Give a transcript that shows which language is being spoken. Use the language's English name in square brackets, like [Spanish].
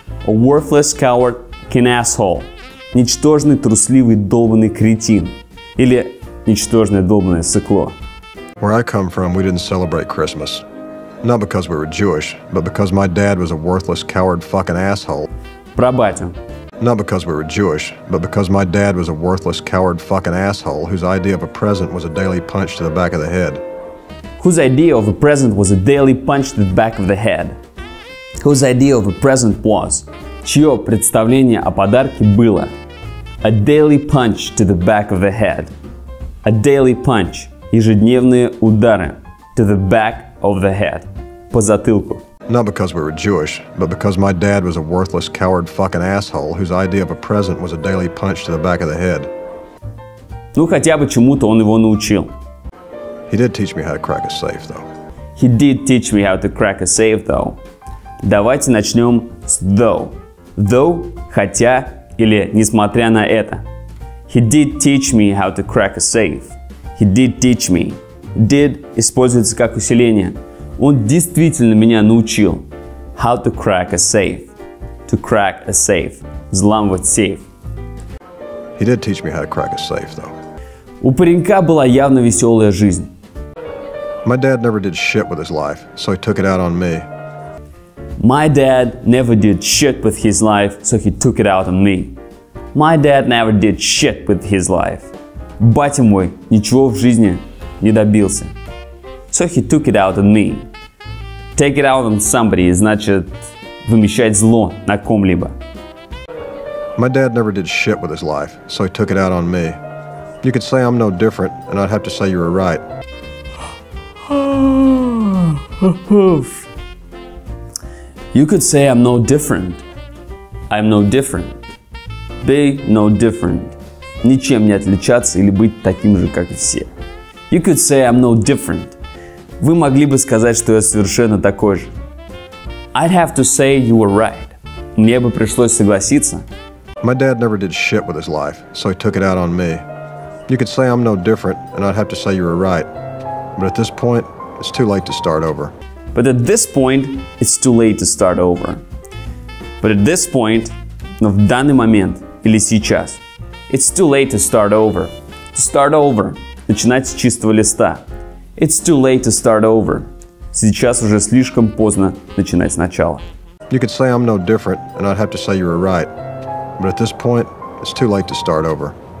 [English] A worthless, coward, fucking asshole. [Russian] Ничтожный, трусливый, долбанный кретин. Или ничтожное, долбанное сыкло. [English] Where I come from, we didn't celebrate Christmas. Not because we were Jewish, but because my dad was a worthless, coward, fucking asshole. [Russian] Про батю. [English] Not because we were Jewish, but because my dad was a worthless, coward, fucking asshole whose idea of a present was a daily punch to the back of the head. Whose idea of a present was a daily punch to the back of the head? Whose idea of a present was? [Russian] Чье представление о подарке было? [English] A daily punch to the back of the head. A daily punch. [Russian] Ежедневные удары. [English] To the back of the head. [Russian] По затылку. [English] Not because we were Jewish, but because my dad was a worthless, coward, fucking asshole whose idea of a present was a daily punch to the back of the head. [Russian] Ну, хотя бы чему-то он его научил. [English] He did teach me how to crack a safe, though. He did teach me how to crack a safe, though. [Russian] Давайте начнем с though. Though, хотя или несмотря на это. [English] He did teach me how to crack a safe. He did teach me. [Russian] Did используется как усиление. Он действительно меня научил. [English] How to crack a safe. To crack a safe. [Russian] Взламывать сейф. [English] He did teach me how to crack a safe, though. [Russian] У паренька была явно веселая жизнь. [English] My dad never did shit with his life, so he took it out on me. My dad never did shit with his life, so he took it out on me. My dad never did shit with his life. [Russian] Батя мой ничего в жизни не добился. [English] So he took it out on me. Take it out on somebody [Russian] значит вымещать зло на ком-либо. [English] My dad never did shit with his life, so he took it out on me. You could say I'm no different, and I'd have to say you were right. You could say I'm no different. I'm no different. Be no different. [Russian] Ничем не отличаться или быть таким же, как и все. [English] You could say I'm no different. [Russian] Вы могли бы сказать, что я совершенно такой же. [English] I'd have to say you were right. [Russian] Мне бы пришлось согласиться. [English] My dad never did shit with his life, so he took it out on me. You could say I'm no different, and I'd have to say you were right. But at this point, it's too late to start over. But at this point, it's too late to start over. But at this point, [Russian] но в данный момент, или сейчас, [English] it's too late to start over. To start over, [Russian] начинать с чистого листа. [English] It's too late to start over. [Russian] Сейчас уже слишком поздно начинать сначала. [English] You could say I'm no different, and I'd have to say you were right. But at this point, it's too late to start over.